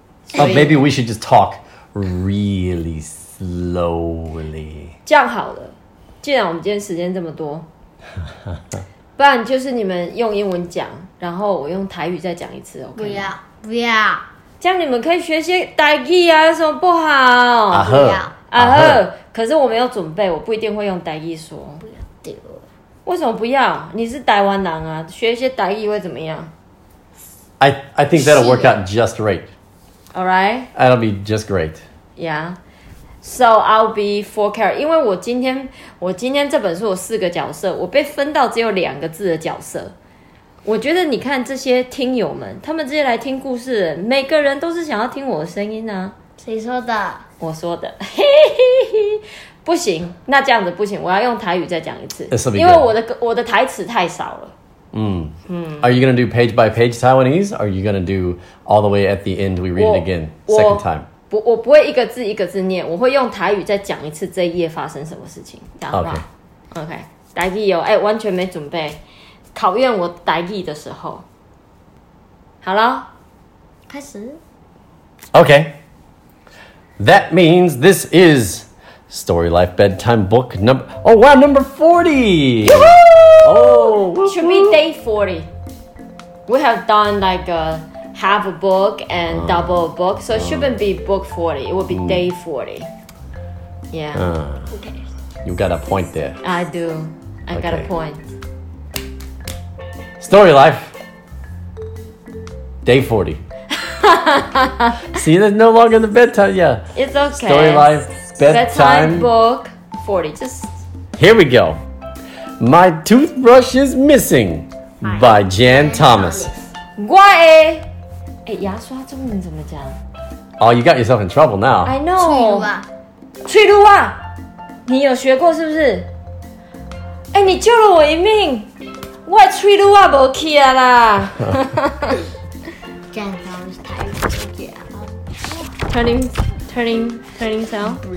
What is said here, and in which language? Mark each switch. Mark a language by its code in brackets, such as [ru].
[en] But maybe we should just talk really slowly. [zh] 这样好了，既然我们今天时间这么多。不然就是你们用英文讲，然后我用台语再讲一次 ，OK？不要，不要，这样你们可以学些台语啊，有什么不好？阿、啊、赫，阿、啊、赫、啊，可是我没有准备，我不一定会用台语说。不要丢，为什么不要？你是台湾人啊，学一些台语会怎么样 [en] ？I think that'll work out just right. All right, that'll be just great. Yeah. So I'll be four characters. [zh] 因为我今天这本书有四个角色，我被分到只有两个字的角色。我觉得你看这些听友们，他们这些来听故事的人，每个人都是想要听我的声音啊。谁说的？我说的。嘿嘿嘿，不行，那这样子不行，我要用台语再讲一次。因为我的台词太少了。 [en] Are you going to do page by page Taiwanese? Are you going to do all the way at the end? We read it again second time. [zh] 我不会一个字一个字念，我会用台语再讲一次这一页发生什么事情，好不好 ？OK， 台语有哎，完全没准备，考验我台语的时候，好了，开始。 [en] OK， that means this is Story Life Bedtime Book number 40. Oh, it should be day 40. We have done like a. Half a book and double a book, so it shouldn't be book 40. It would be day 40. Yeah. Okay. You got a point there. I do. I got a point. Story life. Day 40. See, that's no longer the bedtime. Yeah. It's okay. Story life, bedtime book 40. Just here we go. My toothbrush is missing. By Jan Thomas. Why? [zh] 哎，牙刷中文怎么讲？ [en] 哦、oh, ，You got yourself in trouble now. I know. [zh] 脆露啊，脆露啊，你有学过是不是？哎、欸，你救了我一命，我的脆露啊，没去了啦。剪刀是台语词啊。 [en] Turning sound.